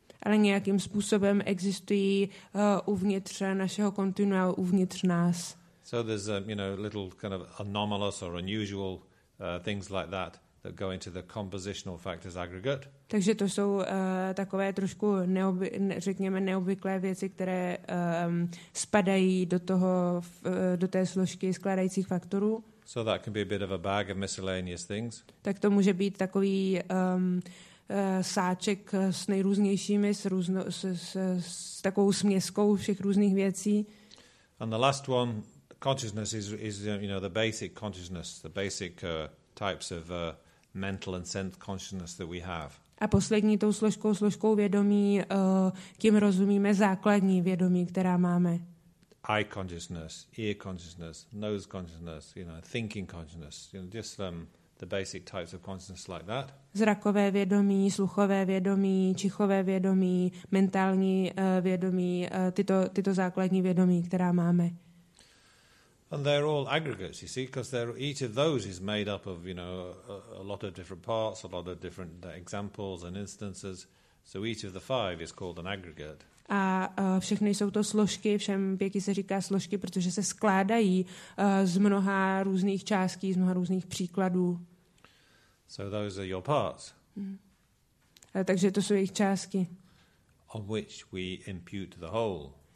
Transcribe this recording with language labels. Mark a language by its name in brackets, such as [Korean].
[Czech] Ale nějakým způsobem existují uvnitř našeho kontinua, uvnitř nás. [English] So there's you know, little kind of anomalous or unusual things like that that go into the compositional factors aggregate. [Czech] Takže to jsou takové trošku neobvyklé věci, které spadají do toho do té složky skládajících faktorů. [English] So that can be a bit of a bag of miscellaneous things. [Czech] Tak to může být takový sáček s nejrůznějšími, s takovou směskou všech různých věcí. [English] And the last one, consciousness is you know, the basic consciousness, the basic types of mental and sense consciousness that we have. [Czech] A poslední tou složkou vědomí, tím rozumíme základní vědomí, která máme. [English] Eye consciousness, ear consciousness, nose consciousness, you know, thinking consciousness, you know, just the basic types of consciousness like that. [Czech] Zrakové vědomí, sluchové vědomí, čichové vědomí, mentální vědomí, tyto základní vědomí, která máme. [English] And they're all aggregates, you see, because each of those is made up of, you know, a lot of different parts, a lot of different examples and instances. So each of the five is called an aggregate. [Czech] A všechny jsou to složky, všem pěkně se říká složky, protože se skládají z mnoha různých částí, z mnoha různých příkladů. [English] So those are your parts. [Czech] Takže to jsou jejich částky. [English] On which we impute the whole.